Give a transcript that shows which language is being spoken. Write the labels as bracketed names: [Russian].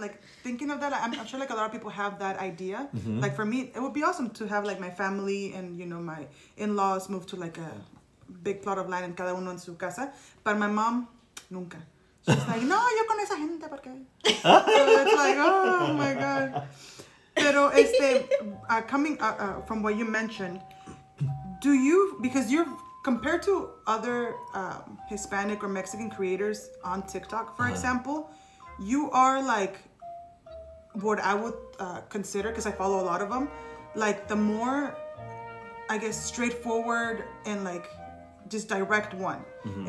[English] Like, thinking of that, I'm sure like a lot of people have that idea. Mm-hmm. Like, for me, it would be awesome to have like my family and, you know, my in-laws move to like a big plot of land and [Spanish] cada uno en su casa. [English] But my mom, [Spanish] nunca. [English] She's like, [Spanish] no, yo con esa gente, ¿por qué? [English] So it's like, oh my God. [Spanish] Pero [English] from what you mentioned, do you, because you're, compared to other Hispanic or Mexican creators on TikTok, for example, you are like what I would consider, because I follow a lot of them, like the more, I guess, straightforward and like just direct one. Mm-hmm.